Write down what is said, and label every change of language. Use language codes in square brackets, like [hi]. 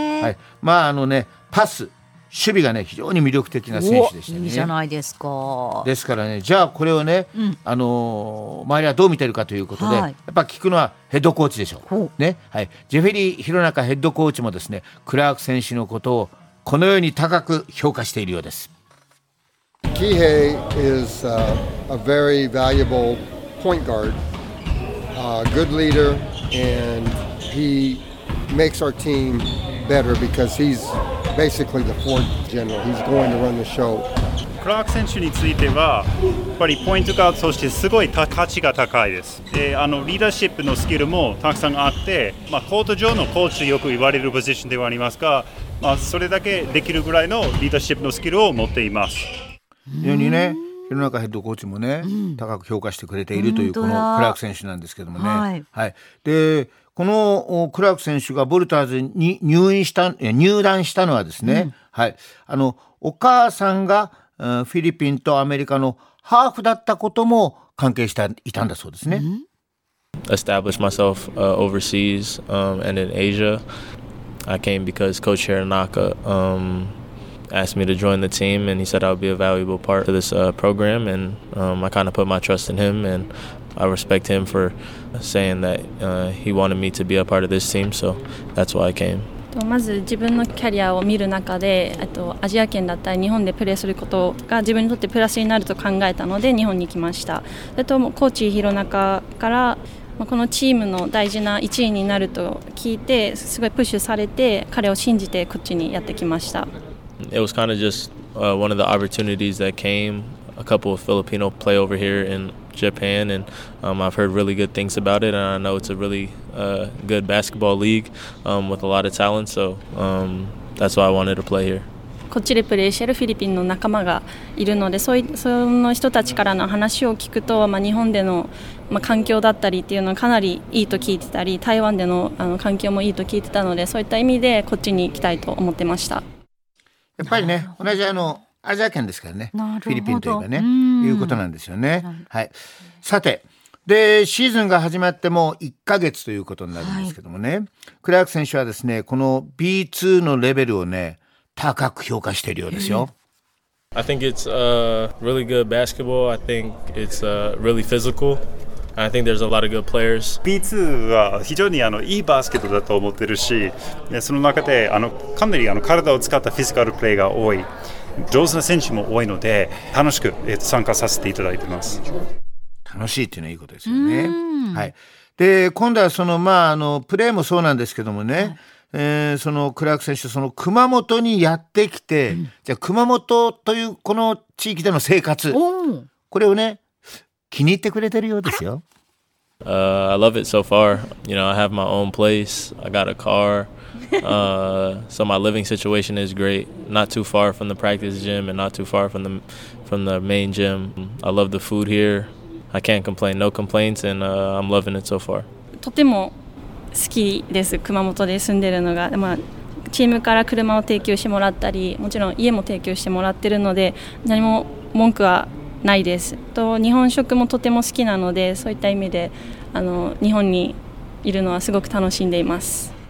[ja] はい、まあ、あのね、パス守備がね非常に魅力的な選手でしたね。いいじゃないですか。ですからね、じゃあこれをね、うん、周りはどう見てるかということで、はい、やっぱ聞くのはヘッドコーチでしょう、ね、はい、ジェフェリー弘中ヘッドコーチもですね、クラーク選手のことをこのように高く評価しているようです。 [en] キヘイ is a very valuable point guard, a good leader, and he makes our team better because he'sBasically the fourth general. He's going to run the show. [ja] クラーク選手についてはやっぱりポイントガード、そしてすごい価値が高いです。で、リーダーシップのスキルもたくさんあって、まあ、コート上のコーチとよく言われるポジションではありますが、まあ、それだけできるぐらいのリーダーシップのスキルを持っています。非常にね、弘中ヘッドコーチもね、高く評価してくれているというこのクラーク選手なんですけどもね。はい、はい、でこのクラーク選手がボルターズに入団したのはですね、うん、はい、お母さんがフィリピンとアメリカのハーフだったことも関係していたんだそうですね。 [en] Established myself overseas and in Asia. I came because Coach Hironaka asked me to join the team and he said I would be a valuable part of this program and I kind of put my trust in him andI respect him for saying that he wanted me to be a part of this team, so that's why I came. [ja] まず自分のキャリアを見る中で、アジア圏だったり日本でプレーすることが自分にとってプラスになると考えたので日本に来ました。それとコーチ弘中からこのチームの大事な一員になると聞いて、すごいプッシュされて彼を信じてこっちにやってきました。 [en] It was kind of just one of the opportunities that came. A couple of Filipino play over here inJapan and I've heard really good things about it and I know it's a really good basketball league with a lot of talent so that's why I wanted to play here. [ja] こっちでプレーしているフィリピンの仲間がいるので、その人たちからの話を聞くと、まあ、日本での、まあ、環境だったりっていうのはかなりいいと聞いてたり、台湾での、環境もいいと聞いてたので、そういった意味でこっちに行きたいと思ってました。やっぱりね、同じアジア圏ですからね、フィリピンというかね、いうことなんですよね。はい、さてでシーズンが始まっても1ヶ月ということになるんですけどもね、はい、クラーク選手はですね、この B2 のレベルをね高く評価しているようですよ。 [en] I think it's a really good basketball. I think it's really physical. And I think there's a lot of good players. [ja] B2 は非常にいいバスケットだと思ってるし、その中でかなり体を使ったフィジカルプレーが多い、上手な選手も多いので、楽しく参加させていただいてます。楽しいっていうのはいいことですよね。はい。で、今度はその、プレーもそうなんですけどもね、そのクラーク選手、その熊本にやってきて、じゃあ熊本というこの地域での生活、これをね、気に入ってくれてるようですよ。 [en] I love it so far. You know, I have my own place. I got a car. So my living situation is great. Not too far from the practice gym and not too far from the main gym. I love the food here. I can't complain. No complaints, and I'm loving it so far. [ja] とても好きです。熊本で住んでるのが、チームから車を提供してもらったり、もちろん家も提供してもらってるので、何も文句はないです。と日本食もとても好きなので、そういった意味で日本にいるのはすごく楽しんでいます。